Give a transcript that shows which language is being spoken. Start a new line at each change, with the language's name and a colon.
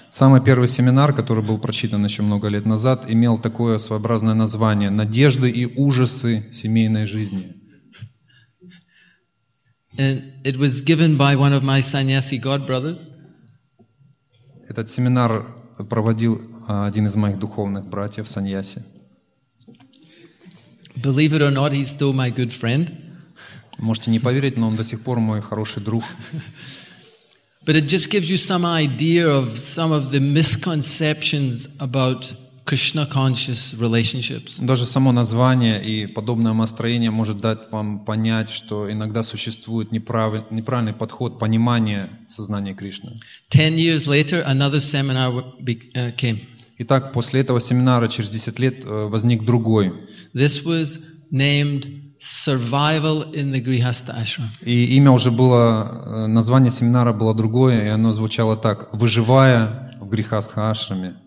Russian: Самый первый семинар, который был прочитан еще много лет назад, имел такое своеобразное название «Надежды и ужасы семейной жизни».
English: And it was given by one of my sannyasi god brothers.
Russian: Этот семинар проводил один из моих духовных братьев саньяси.
English: Believe it or not, he's still my good friend.
Russian: Можете не поверить, но он до сих пор мой хороший друг.
English: But it just gives you some idea of some of the misconceptions about Krishna conscious relationships.
Russian: Даже само название и подобное настроение может дать вам понять, что иногда существует неправильный подход понимания сознания Кришны.
English: 10 years later, another seminar came.
Russian: Итак, после этого семинара через 10 лет возник другой.
English: This was named Survival in the Grihastha Ashram.
Russian: И имя уже было, название семинара было другое, и оно звучало так: Выживая в Грихастха Ашраме.